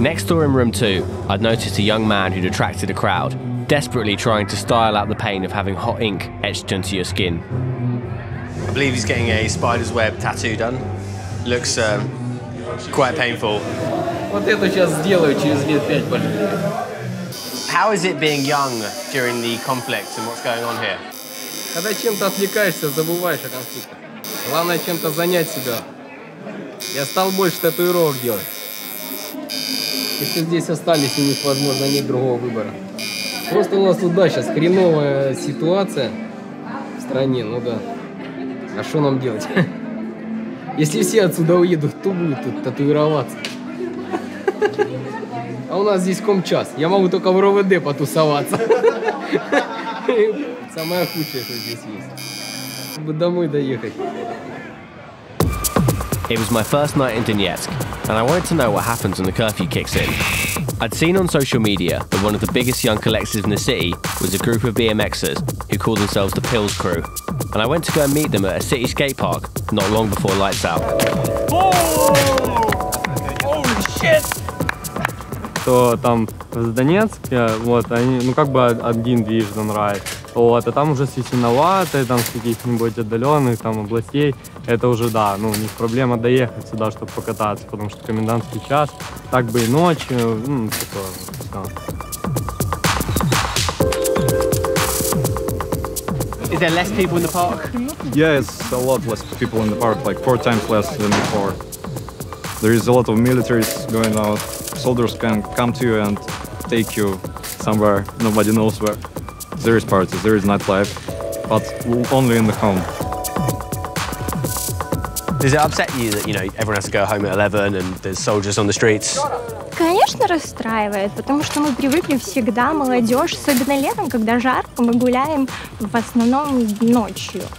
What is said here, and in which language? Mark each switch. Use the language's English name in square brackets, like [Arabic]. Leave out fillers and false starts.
[English] Next door in room two, I'd noticed a young man who'd attracted a crowd, desperately trying to style out the pain of having hot ink etched into your skin. I believe he's getting a spider's web tattoo done. Looks quite painful. How is it being young during the conflict and what's going on here? [Russian] Когда чем-то отвлекаешься, забываешь о конфликте. Главное чем-то занять себя. Я стал больше татуировок делать. Если здесь остались, у них, возможно, нет другого выбора. Просто у нас тут, да, сейчас хреновая ситуация в стране, ну да. А что нам делать? Если все отсюда уедут, кто будет тут татуироваться? А у нас здесь комчас. Я могу только в РОВД потусоваться. Самое худшее, что здесь есть. Чтобы домой доехать. [English] It was my first night in Donetsk. And I wanted to know what happens when the curfew kicks in. I'd seen on social media that one of the biggest young collectives in the city was a group of BMXers who called themselves the Pills Crew. And I went to go and meet them at a city skate park not long before lights out. Holy shit! [Russian] То там в Донецке, вот, они, ну как бы один движ за нравится. Вот, а там уже стесненовато, там с каких-нибудь отдаленных там областей. Это уже да, ну, у них проблема доехать сюда, чтобы покататься, потому что комендантский час, так бы и ночью, ну, такое, все. [English] Is there less people in the park? Yeah, it's a lot less people in the park, like 4 times less than before. There is a lot of military going out. Soldiers can come to you and take you somewhere nobody knows where. There is parties, there is nightlife, but only in the home. Does it upset you that, you know, everyone has to go home at 11 and there's soldiers on the streets? [Russian] Конечно, расстраивает, потому что мы привыкли всегда, молодежь, особенно летом, когда жарко, мы гуляем в основном ночью.